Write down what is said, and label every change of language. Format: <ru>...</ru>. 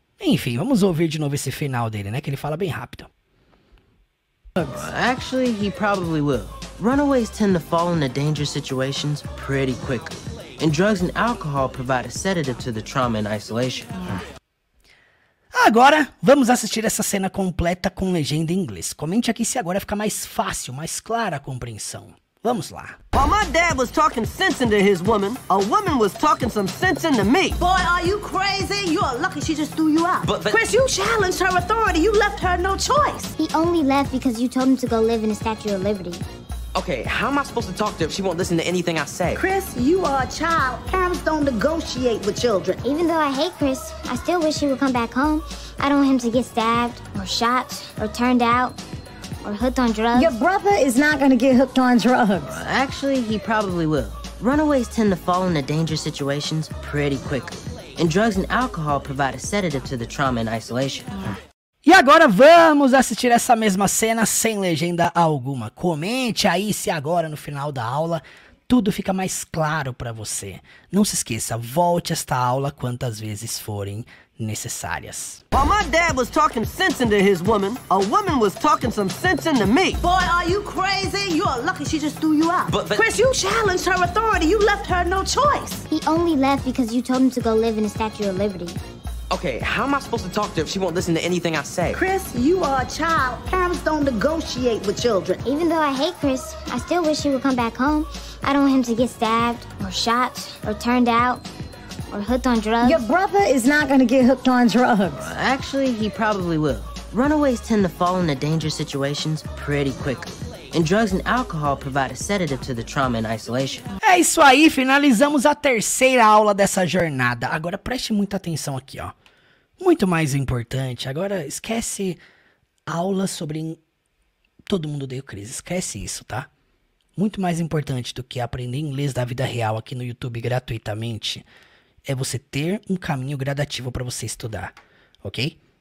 <pt>Enfim, vamos ouvir de novo esse final dele, né? Que ele fala bem rápido.</pt> <en>Actually, he probably will. Runaways tend to fall into dangerous situations pretty quickly. And drugs and alcohol provide a sedative to the trauma and isolation.</en> <pt>Agora, vamos assistir essa cena completa com legenda em inglês. Comente aqui se agora fica mais fácil, mais clara a compreensão. Vamos lá.</pt> <en>While my dad was talking sense into his woman, a woman was talking some sense into me. Boy, are you crazy? You are lucky she just threw you out. But Chris, you challenged her authority. You left her no choice. He only left because you told him to go live in a Statue of Liberty. Okay, how am I supposed to talk to her if she won't listen to anything I say? Chris, you are a child. Parents don't negotiate with children. Even though I hate Chris, I still wish he would come back home. I don't want him to get stabbed, or shot, or turned out, or hooked on drugs? Your brother is not gonna get hooked on drugs. Actually, he probably will. Runaways tend to fall into dangerous situations pretty quickly. And drugs and alcohol provide a sedative to the trauma and isolation.</en> <pt>E agora vamos assistir essa mesma cena sem legenda alguma. Comente aí se agora, no final da aula, tudo fica mais claro para você. Não se esqueça, volte a esta aula quantas vezes forem necessárias.</pt> <en>While my dad was talking sense into his woman, a woman was talking some sense into me. Boy, are you crazy? You are lucky she just threw you out. But Chris, you challenged her authority. You left her no choice. He only left because you told him to go live in a Statue of Liberty. Okay, how am I supposed to talk to her if she won't listen to anything I say? Chris, you are a child. Parents don't negotiate with children. Even though I hate Chris, I still wish he would come back home. I don't want him to get stabbed, or shot, or turned out, or hooked on drugs. Your brother is not gonna get hooked on drugs. Actually, he probably will. Runaways tend to fall into dangerous situations pretty quickly. And drugs and alcohol provide a sedative to the trauma and isolation.</en> <pt>É isso aí, finalizamos a terceira aula dessa jornada. Agora preste muita atenção aqui, ó. Muito mais importante, agora esquece aula sobre todo mundo deu crise, esquece isso, tá? Muito mais importante do que aprender inglês da vida real aqui no YouTube gratuitamente é você ter um caminho gradativo para você estudar, ok?</pt>